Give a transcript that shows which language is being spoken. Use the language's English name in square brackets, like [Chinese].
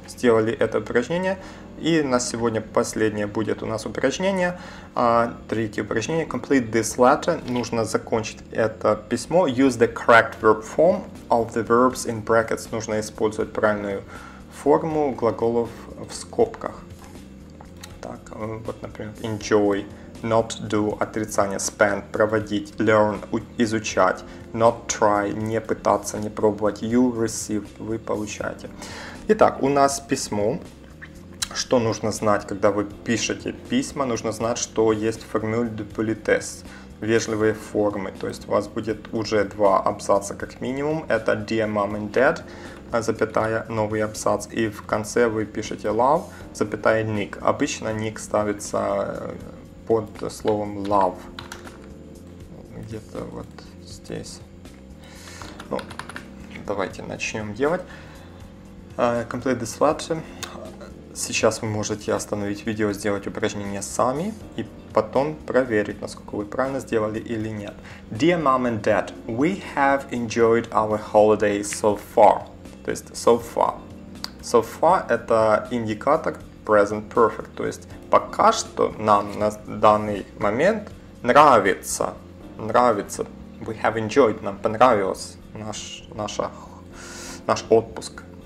[Russian] Сделали это упражнение. И на сегодня последнее будет у нас упражнение. Третье упражнение. [English] Complete this letter. [Russian] Нужно закончить это письмо. [English] Use the correct verb form of the verbs in brackets. [Russian] Нужно использовать правильную форму глаголов в скобках. Так, вот, например, enjoy, not do, отрицание, spend, проводить, learn, изучать, not try, не пытаться, не пробовать, you receive, вы получаете. Итак, у нас письмо. Что нужно знать, когда вы пишете письма? Нужно знать, что есть формуле de politesse, вежливые формы. То есть у вас будет уже два абзаца как минимум. Это [English] dear mom and dad, [Russian] запятая, новый абзац. И в конце вы пишете love, запятая, nick. Обычно nick ставится под словом love. Где-то вот здесь. Ну, давайте начнем делать. [English] Complete this letter. [Russian] Сейчас вы можете остановить видео, сделать упражнение сами и потом проверить, насколько вы правильно сделали или нет. [English] Dear mom and dad, we have enjoyed our holiday so far. [Russian] То есть [English] so far. So far [Russian] – это индикатор present perfect. То есть пока что нам на данный момент нравится. Нравится. [English] We have enjoyed. [Russian] Нам понравилось наш отпуск.